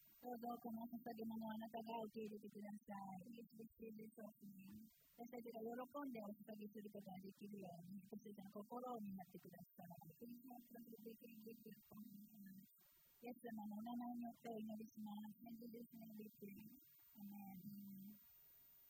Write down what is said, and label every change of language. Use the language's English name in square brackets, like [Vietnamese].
[Japanese] どうぞこの捧げ物をあなたが受け入れてください。 [English] Please receive this offering。 [Japanese] 私たちが喜んでお捧げすることができるように、私たちの心を担ってください。 [English] Please help us to be able to give this offering。 [Japanese] イエス様のお名前によってお祈りします。 [English] In Jesus name we pray。 Amen。